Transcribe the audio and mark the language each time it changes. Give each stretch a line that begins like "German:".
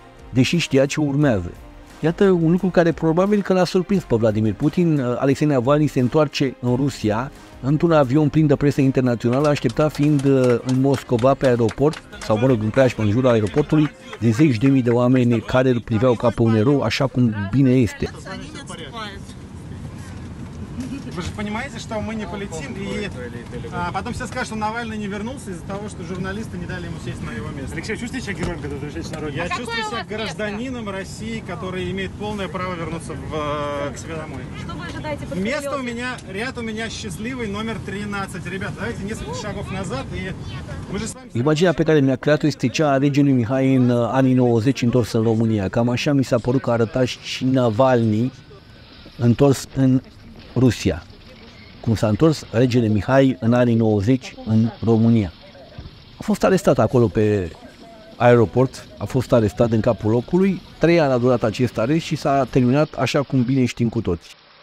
Romanian: Deși știa ce urmează. Iată un lucru care probabil că l-a surprins pe Vladimir Putin. Alexei Navalny se întoarce în Rusia într-un avion plin de presă internațională, aștepta fiind în Moscova pe aeroport sau, mă rog, în preajmă, în jurul aeroportului, de zeci de mii de oameni care îl priveau ca pe un erou, așa cum bine este.
Russian: Вы же понимаете, что мы не полетим, и потом все скажут, что Навальный не вернулся из-за того, что журналисты не дали ему сесть на его место. Алексей, чувствуете себя героем, когда возвращаетесь на родину? Я чувствую себя гражданином России, который имеет полное право вернуться к себе домой. Что вы ожидаете? Место у меня, ряд у меня счастливый, номер 13. Ребята, давайте несколько шагов назад, и мы же с вами...
Romanian: Imaginea pe care mi-a creat-o este cea a regiunii Mihai în anii 90 întors în România. Cam așa mi s-a părut că arăta și Navalny întors în Rusia, cum s-a întors regele Mihai în anii 90 în România. A fost arestat acolo pe aeroport, a fost arestat în capul locului, 3 ani a durat acest arest și s-a terminat așa cum bine știm cu toți.